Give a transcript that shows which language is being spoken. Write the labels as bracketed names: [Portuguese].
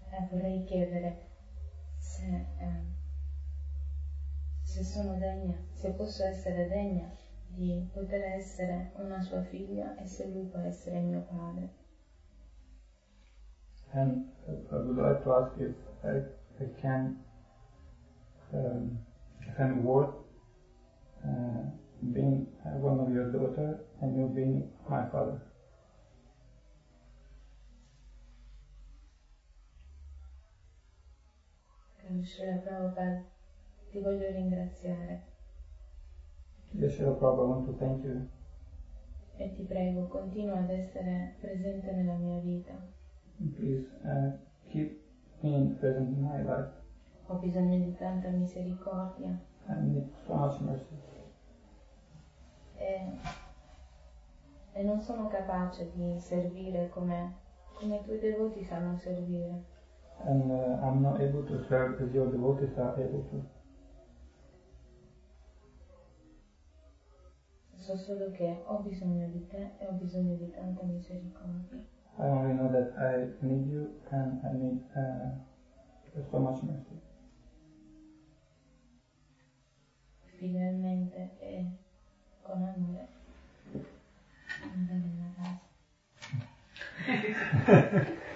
[Italian] Vorrei chiedere se se sono degna, se posso essere degna di poter essere una sua figlia e se lui può essere mio padre. [English] And I would like to ask if I can, if I'm worth being one of your daughter and you being my father. [Italian] Srila Prabhupada, ti voglio ringraziare. [English] Srila Prabhupada, I want to thank you. [Italian] E ti prego, continua ad essere presente nella mia vita. [English] Please keep being present in my life. [Italian] Ho bisogno di tanta misericordia. [English] I need so much mercy. [Italian] E non sono capace di servire come i tuoi devoti sanno servire. [English] And I'm not able to serve as your devotees are able to. [Italian] So solo che ho bisogno di te e ho bisogno di tanta misericordia. [English] I only know that I need you and I need so much mercy. [Italian] Finalmente e con amore andare in casa.